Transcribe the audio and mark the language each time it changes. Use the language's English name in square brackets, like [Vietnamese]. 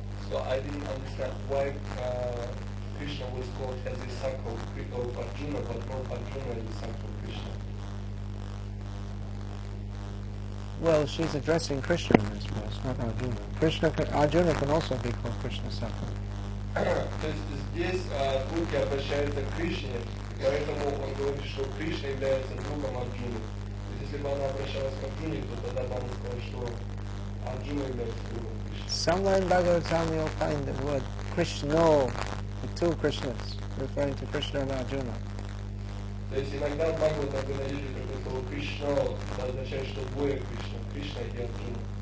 [English] So I didn't understand why Krishna was called as the Sakho of Arjuna, but not Arjuna is the Sakho of Krishna. Well, she's addressing Krishna in this verse, not Arjuna. Krishna, Arjuna can also be called Krishna Sakho. [Russian] То есть здесь Руки обращаются к Кришне, поэтому он говорит, что Кришна является другом Арджуны. То есть если бы она обращалась к Арджуне, то тогда там он сказал, что Арджуна является другом Кришны. [English] Somewhere in Bhagavatam you'll find the word Krishna, the two Krishnas, referring to Krishna and Arjuna. [Russian] То есть иногда в Бхагаватам вы найдете только слово Кришна, это означает, что двое Кришна, Кришна и Арджуна.